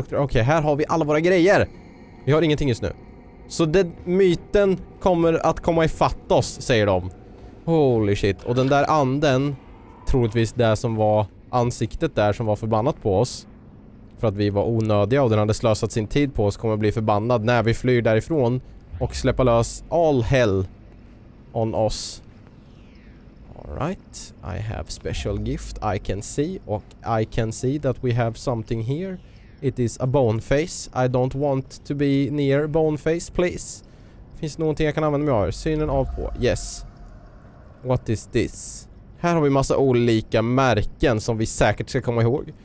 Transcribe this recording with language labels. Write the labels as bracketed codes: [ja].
[sv] Okej, okay, här har vi alla våra grejer. Vi har ingenting just nu. Så den myten kommer att komma i fatt oss, säger de. [en] Holy shit. [sv] Och den där anden, troligtvis det som var ansiktet där som var förbannat på oss. För att vi var onödiga och den hade slösat sin tid på oss, kommer att bli förbannad när vi flyr därifrån och släppa lös [en] all hell on us. All right, I have special gift, I can see, och I can see that we have something here. It is a bone face. I don't want to be near bone face, please. [sv] Finns någonting jag kan använda mig av? Synen av på. [en] Yes. What is this? [sv] Här har vi massa olika märken som vi säkert ska komma ihåg.